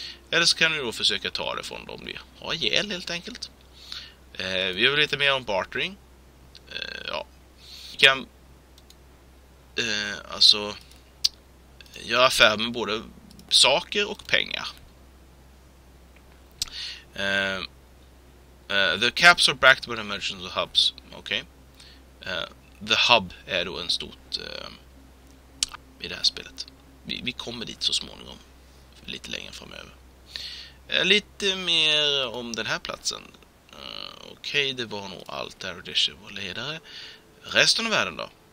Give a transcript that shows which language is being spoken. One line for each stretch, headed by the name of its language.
Swedish: Eller så kan du då försöka ta det från dem. Ha ihjäl helt enkelt. Vi har lite mer om bartering. Ja. Du kan alltså göra affär med både saker och pengar.
English: The caps are backed by the merchants of hubs. Okay.
Swedish: The hub är då en stort i det här spelet. Vi kommer dit så småningom. Lite längre framöver. Lite mer om den här platsen. Okej, okay, det var nog allt där. Det är vår ledare. Resten av världen då?